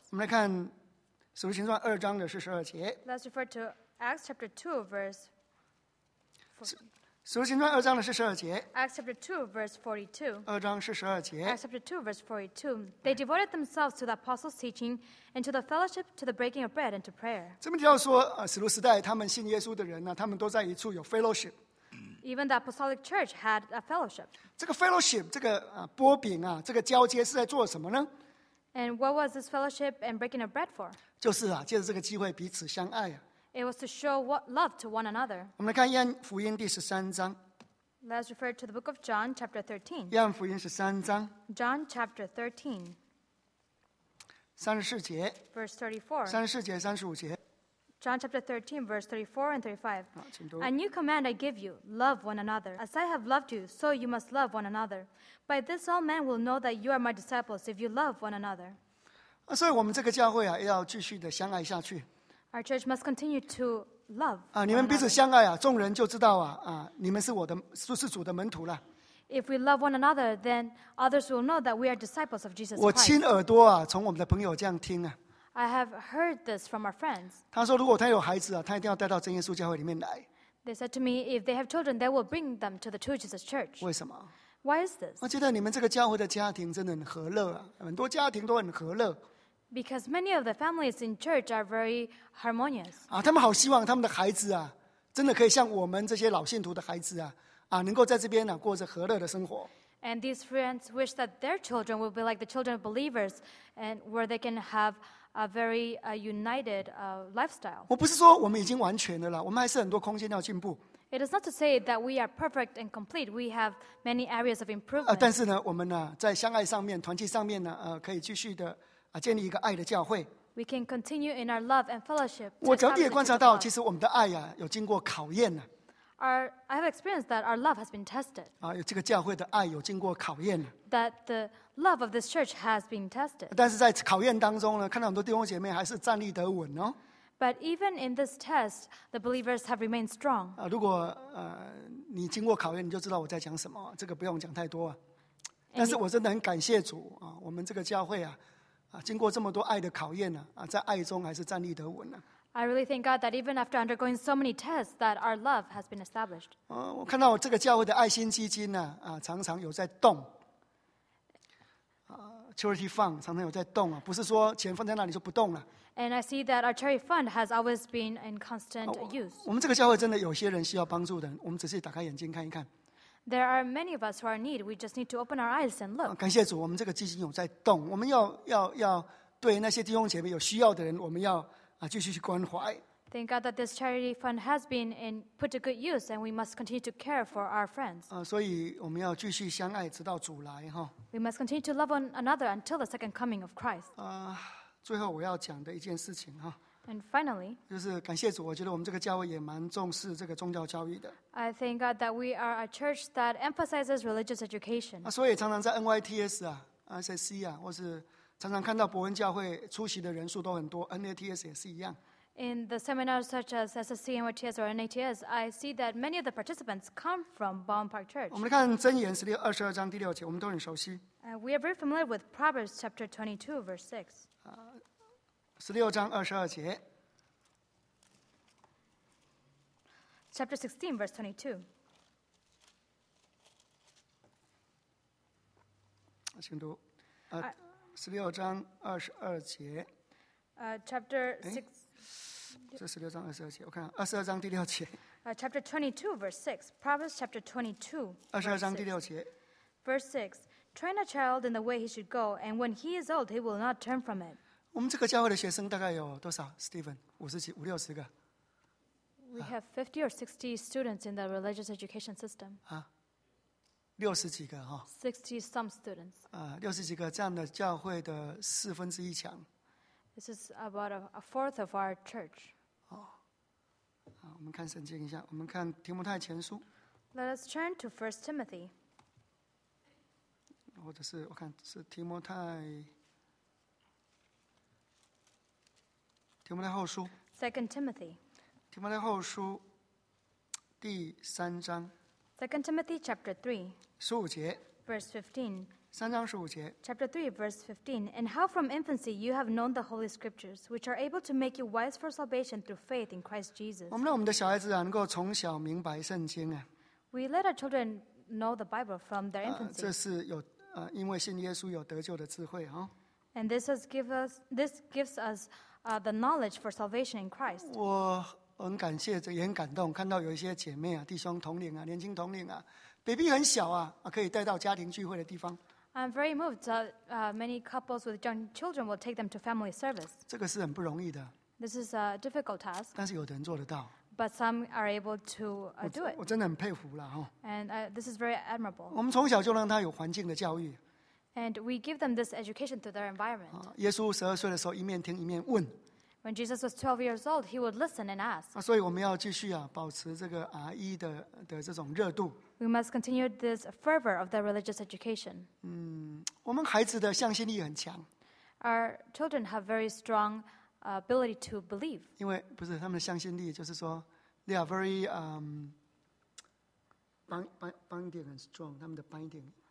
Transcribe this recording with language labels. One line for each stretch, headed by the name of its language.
Chinese: 我们来看《使徒行传》二章的四十二节。
English: Let's refer to Acts chapter 2, verse 42.
Chinese: 使徒行传二章的四十二节。
English: Acts chapter 2, verse 42.
Chinese: 二章四十二节。
English: Acts chapter 2, verse 42. They devoted themselves to the apostles' teaching and to the fellowship, to the breaking of bread, and to prayer.
Chinese: 这边提到说，使徒时代他们信耶稣的人呢，他们都在一处有 fellowship。
English: Even the apostolic church had a fellowship.
Chinese: 这个 fellowship, 这个拨饼啊，这个交接是在做什么呢？
English: And what was this fellowship and breaking of bread for?
Chinese: 就是啊，借着这个机会彼此相爱啊。
English: It was to show what love to one another.
Chinese: 我们来看约翰福音第十三章。
English: Let's refer to the book of John, chapter 13.
Chinese: 约翰福音十三章。
English: John chapter 13.
Chinese: 三十四节。
English: Verse 34.
Chinese: 三十四节，三十五节。
English: John chapter 13, verse 34 and 35.
Chinese: 好，请读。
English: A new command I give you, love one another. As I have loved you, so you must love one another. By this all men will know that you are my disciples if you love one another.
Chinese: 所以我们这个教会啊，要继续的相爱下去。
English: Our church must continue to love.
Chinese: 你们彼此相爱啊，众人就知道啊，你们是我的，是主的门徒了。
English: If we love one another, then others will know that we are disciples of Jesus
Chinese: Christ. 我亲耳朵啊，从我们的朋友这样听啊。
English: I have heard this from our friends.
Chinese: 他说如果他有孩子啊，他一定要带到真耶稣教会里面来。
English: They said to me, if they have children, they will bring them to the True Jesus Church.
Chinese: 为什么？
English: Why is this?
Chinese: 我觉得你们这个教会的家庭真的很和乐啊，很多家庭都很和乐。
English: Because many of the families in church are very harmonious.
Chinese: 啊，他们好希望他们的孩子啊，真的可以像我们这些老信徒的孩子啊，啊，能够在这边啊，过着和乐的生活。
English: And these friends wish that their children will be like the children of believers, and where they can have a very united lifestyle.
Chinese: 我不是说我们已经完全的了，我们还是很多空间要进步。
English: It is not to say that we are perfect and complete. We have many areas of improvement.
Chinese: 但是呢，我们呢，在相爱上面、团契上面呢，可以继续的建立一个爱的教会。
English: We can continue in our love and fellowship.
Chinese: 我脚底也观察到，其实我们的爱呀，有经过考验呢。
English: I have experienced that our love has been tested.
Chinese: 啊，这个教会的爱有经过考验。
English: That the love of this church has been tested.
Chinese: 但是在考验当中呢，看到很多弟兄姐妹还是站立得稳哦。
English: But even in this test, the believers have remained strong.
Chinese: 啊，如果你经过考验，你就知道我在讲什么，这个不用讲太多啊。但是我真的很感谢主啊，我们这个教会啊，经过这么多爱的考验呢，在爱中还是站立得稳呢。
English: I really thank God that even after undergoing so many tests, that our love has been established.
Chinese: 我看到这个教会的爱心基金呢，常常有在动。 Charity fund 常常有在动啊，不是说钱放在那里就不动了。
English: And I see that our charity fund has always been in constant use.
Chinese: 我们这个教会真的有些人需要帮助的，我们只是打开眼睛看一看。
English: There are many of us who are in need. We just need to open our eyes and look.
Chinese: 感谢主，我们这个基金有在动。我们要对那些弟兄姐妹有需要的人，我们要继续去关怀。
English: Thank God that this charity fund has been in put to good use, and we must continue to care for our friends.
Chinese: 所以我们要继续相爱，直到主来哈。
English: We must continue to love one another until the second coming of Christ.
Chinese: 最后我要讲的一件事情哈。
English: And finally,
Chinese: 就是感谢主，我觉得我们这个教会也蛮重视这个宗教教育的。
English: I thank God that we are a church that emphasizes religious education.
Chinese: 所以常常在 NYTS 啊、SSC 啊，或是常常看到伯恩教会出席的人数都很多 ，NATS 也是一样。
English: In the seminars such as SSC, NYTS, or NATS, I see that many of the participants come from Bowen Park Church.
Chinese: 我们来看箴言十六二十二章第六节，我们都很熟悉。
English: We are very familiar with Proverbs chapter 22, verse 6.
Chinese: 十六章二十二节。
English: Chapter 16, verse 22.
Chinese: 请读。十六章二十二节。
English: Chapter 6.
Chinese: 这十六章二十二节，我看二十二章第六节。
English: Chapter 22, verse 6. Proverbs chapter 22.
Chinese: 二十二章第六节。
English: Verse 6. Train a child in the way he should go, and when he is old, he will not turn from it.
Chinese: 我们这个教会的学生大概有多少 ？Stephen， 五十几、五六十个。
English: We have 50 or 60 students in the religious education system.
Chinese: 六十几个哈。
English: 60 some students.
Chinese: 六十几个这样的教会的四分之一强。
English: This is about a fourth of our church.
Chinese: 我们看圣经一下，我们看提摩太前书。
English: Let us turn to 1 Timothy.
Chinese: 或者是我看是提摩太。提摩太后书。
English: 2 Timothy.
Chinese: 提摩太后书第三章。
English: Second Timothy chapter 3.
Chinese: 十五节。
English: Verse 15.
Chinese: 三章十五节。
English: Chapter 3, verse 15. And how from infancy you have known the holy scriptures, which are able to make you wise for salvation through faith in Christ Jesus.
Chinese: 我们让我们的小孩子能够从小明白圣经啊。
English: We let our children know the Bible from their infancy.
Chinese: 这是有因为信耶稣有得救的智慧啊。
English: And this has gives us the knowledge for salvation in Christ.
Chinese: 我很感谢，也很感动，看到有一些姐妹啊、弟兄同龄啊、年轻同龄啊 ，baby 很小啊，可以带到家庭聚会的地方。
English: I'm very moved that many couples with young children will take them to family service.
Chinese: 这个是很不容易的。
English: This is a difficult task.
Chinese: 但是有的人做得到。
English: But some are able to do it.
Chinese: 我真的很佩服了哈。
English: And this is very admirable.
Chinese: 我们从小就让他有环境的教育。
English: And we give them this education through their environment.
Chinese: 耶稣十二岁的时候，一面听一面问。
English: When Jesus was 12 years old, he would listen and ask.
Chinese: 所以我们要继续啊，保持这个 RE 的这种热度。
English: We must continue this fervor of the religious education.
Chinese: 我们孩子的向心力很强。
English: Our children have very strong ability to believe.
Chinese: 因为不是他们的向心力，就是说
English: they are very binding and strong.
Chinese: 他们的 binding.